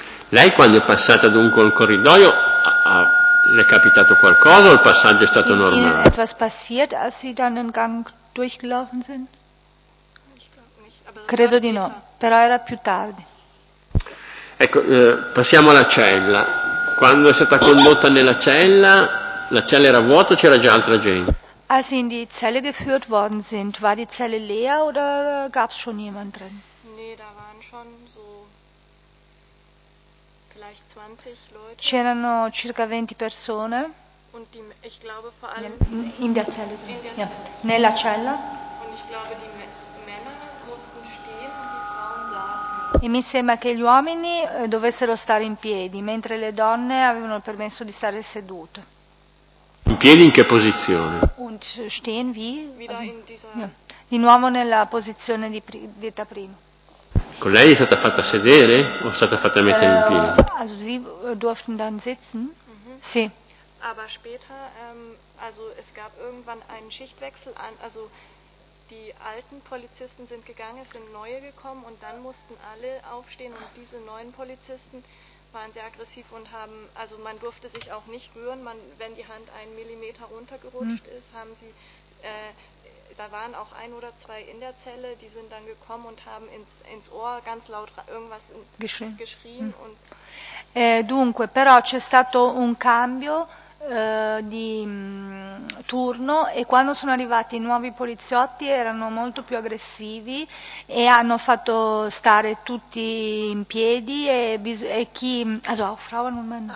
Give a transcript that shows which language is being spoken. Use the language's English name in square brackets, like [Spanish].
[Italian] Lei quando è passata dunque il corridoio le è capitato qualcosa o il passaggio è stato normale? [German] Ist Ihnen etwas passiert, als Sie dann den Gang durchgelaufen sind? [Italian] Credo di no, però era più tardi. Ecco, passiamo alla cella. Quando è stata condotta nella cella, la cella era vuota o c'era già altra gente? [German] Als Sie in die Zelle geführt worden sind, war die Zelle leer oder gab es schon jemand drin? Nee, da waren schon so vielleicht 20 Leute. [Italian] C'erano circa 20 persone. [German] Und die, ich glaube, vor allem in der Zelle. In der Zelle. Ja. [Italian] Nella cella. [German] Und ich glaube, die Männer mussten stehen und die Frauen saßen. [Italian] E mi sembra che gli uomini dovessero stare in piedi, mentre le donne avevano il permesso di stare sedute. In piedi in che posizione? [German] Und stehen wie? Wieder in dieser. Ja. [Italian] Di nuovo nella posizione detta prima. Con lei è stata fatta sedere o è stata fatta mettere in piedi? [German] Also sie durften dann sitzen. [Italian] Mm-hmm. Sì. [German] Aber später also es gab irgendwann einen Schichtwechsel an, also die alten Polizisten sind gegangen, es sind neue gekommen und dann mussten alle aufstehen und diese neuen Polizisten waren sehr aggressiv und haben, also man durfte sich auch nicht rühren, wenn die Hand einen Millimeter runtergerutscht ist, haben sie da waren auch ein oder zwei in der Zelle, die sind dann gekommen und haben ins Ohr ganz laut irgendwas geschrien. Mm. Und [Italian] dunque, però c'è stato un cambio di turno e quando sono arrivati i nuovi poliziotti erano molto più aggressivi e hanno fatto stare tutti in piedi e chi, [German] also auch Frauen und Männer,